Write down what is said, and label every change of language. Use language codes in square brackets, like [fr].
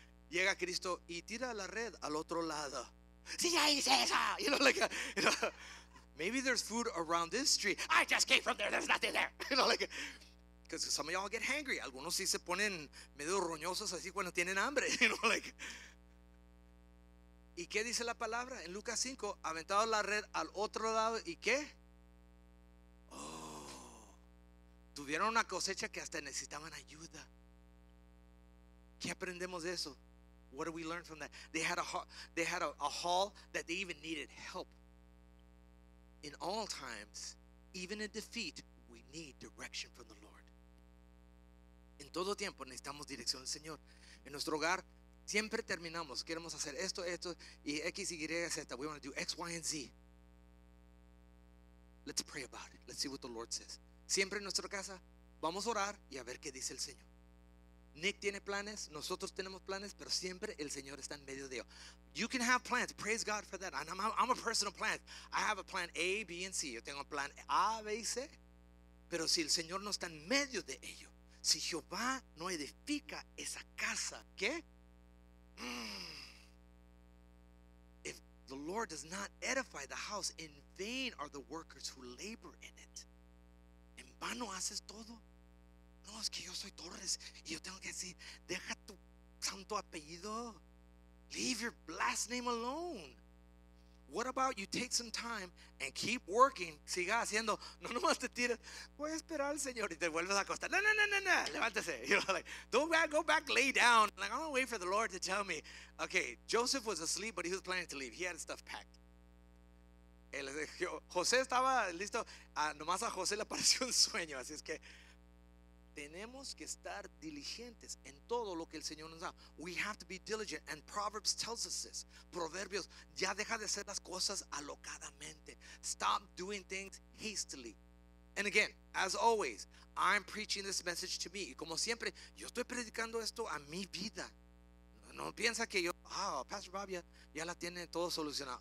[es] Llega Cristo y tira la red al otro lado. Sí, ya hice eso. [en] You know, like, maybe there's food around this street. I just came from there. There's nothing there. You know, like, because some of y'all get hangry. [es] Algunos sí se ponen medio roñosos así cuando tienen hambre. [en] You know, like. [es] ¿Y qué dice la palabra? En Lucas 5, aventado la red al otro lado, ¿y qué? Oh, tuvieron una cosecha que hasta necesitaban ayuda. ¿Qué aprendemos de eso? [en] What do we learn from that? They had a haul that they even needed help. In all times, even in defeat, we need direction from the Lord. [es] En todo tiempo necesitamos dirección del Señor. En nuestro hogar siempre terminamos. Queremos hacer esto, esto, y X, Y, Z. [en] We want to do X, Y, and Z. Let's pray about it. Let's see what the Lord says. [es] Siempre en nuestra casa vamos a orar y a ver qué dice el Señor. Nick tiene planes, nosotros tenemos planes, pero siempre el Señor está en medio de ellos. [en] You can have plans, praise God for that. I'm a personal plan. I have a plan A, B, and C. [es] Yo tengo un plan A, B y C. Pero si el Señor no está en medio de ellos, si Jehová no edifica esa casa, ¿qué? [en] If the Lord does not edify the house, in vain are the workers who labor in it. [es] ¿En vano haces todo? No, es que yo soy Torres y yo tengo que decir, deja tu santo apellido. [en] Leave your last name alone. What about you take some time and keep working? [es] Siga haciendo, no nomás te tires. Voy a esperar al Señor y te vuelves a acostar. No. Levántese. [en] You know, like, don't go back, lay down. Like, I'm gonna wait for the Lord to tell me. Okay, Joseph was asleep, but he was planning to leave. He had stuff packed. [es] José estaba listo. Nomás a José le apareció un sueño. Así es que tenemos que estar diligentes en todo lo que el Señor nos da. [en] We have to be diligent, and Proverbs tells us this. [es] Proverbios, ya deja de hacer las cosas alocadamente. [en] Stop doing things hastily. And again, as always, I'm preaching this message to me. [es] Y como siempre, yo estoy predicando esto a mi vida. No piensa que yo, Pastor Bob ya la tiene todo solucionado.